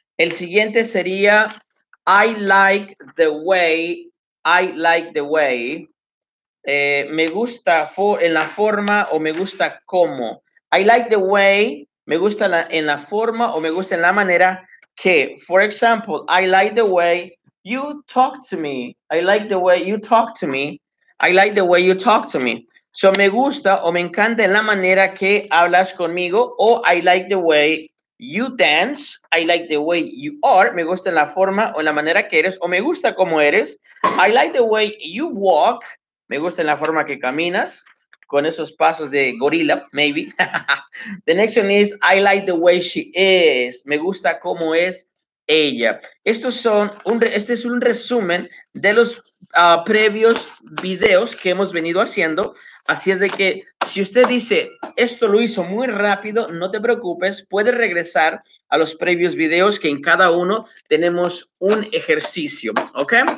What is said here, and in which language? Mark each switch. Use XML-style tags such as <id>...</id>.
<es>El siguiente sería,</es> <en>I like the way.</en> <es>Me gusta en la forma o me gusta cómo.</es> <en>I like the way.</en> <es>Me gusta en la forma o me gusta en la manera que.</es> <en>For example, I like the way you talk to me. I like the way you talk to me. I like the way you talk to me.</en> <es>So, me gusta o me encanta en la manera que hablas conmigo.</es> <en>O I like the way you dance. I like the way you are.</en> <es>Me gusta en la forma o en la manera que eres. O me gusta como eres.</es> <en>I like the way you walk.</en> <es>Me gusta en la forma que caminas. Con esos pasos de gorila, maybe.</es> <en>The next one is, I like the way she is.</en> <es>Me gusta cómo es ella. Este es un resumen de los previos videos que hemos venido haciendo. Así es de que si usted dice, esto lo hizo muy rápido, no te preocupes. Puede regresar a los previos videos, que en cada uno tenemos un ejercicio, ¿ok?</es>